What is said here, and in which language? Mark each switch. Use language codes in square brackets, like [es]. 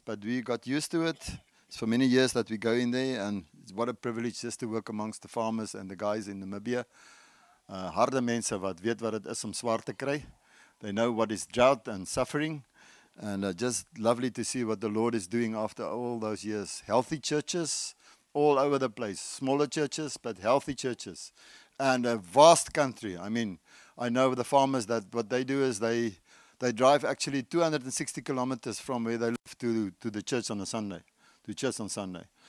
[en] But we got used to it. It's for many years that we go in there. And what a privilege just to work amongst the farmers and the guys in Namibia. [af] Harde mense wat weet wat het is om zwaar te kry. [en] They know what is drought and suffering. And just lovely to see what the Lord is doing after all those years. Healthy churches all over the place. Smaller churches, but healthy churches. And a vast country. I mean, I know the farmers that what they do is they drive actually 260 kilometers from where they live to the church on a Sunday. To church on Sunday.